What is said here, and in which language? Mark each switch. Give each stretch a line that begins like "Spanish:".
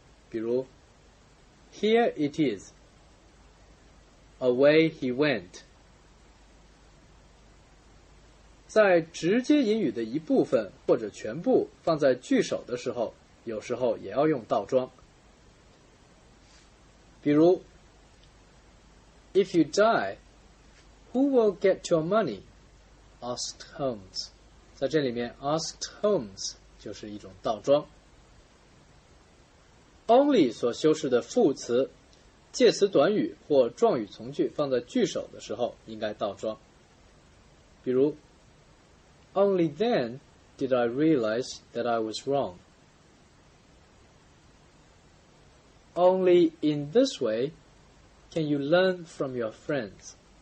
Chinese: 比如
English: Here it is. Away he went.
Chinese: 在直接引语的一部分或者全部放在句首的时候，有时候也要用倒装。比如
English: If you die, who will get your money? Asked Holmes.
Chinese: 在这里面 Asked Holmes 就是一种倒装。 Only 所修饰的副词、介词短语或状语从句放在句首的时候应该倒装。比如
English: Only then did I realize that I was wrong. Only in this way can you learn from your friends.